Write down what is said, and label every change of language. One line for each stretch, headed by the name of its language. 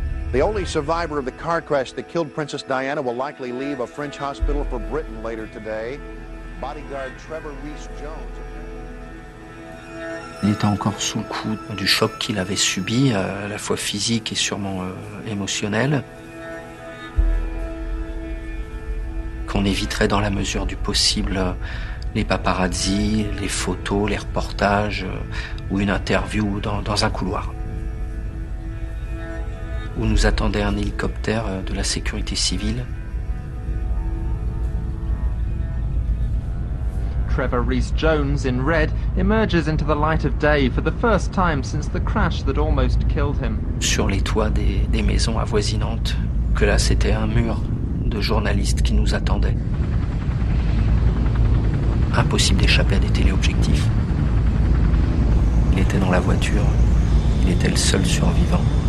English: The only survivor of the car crash that killed Princess Diana will likely leave a French hospital for Britain later today. Bodyguard Trevor Rees-Jones.
French: Il était encore sous le coup du choc qu'il avait subi, à la fois physique et sûrement émotionnel. Qu'on éviterait dans la mesure du possible les paparazzi, les photos, les reportages ou une interview dans un couloir. Où nous attendait un hélicoptère de la sécurité civile.
English: Trevor Rees-Jones, in red, emerges into the light of day for the first time since the crash that almost killed him.
French: Sur les toits des maisons avoisinantes, que là c'était un mur de journalistes qui nous attendaient. Impossible d'échapper à des téléobjectifs. Il était dans la voiture, il était le seul survivant.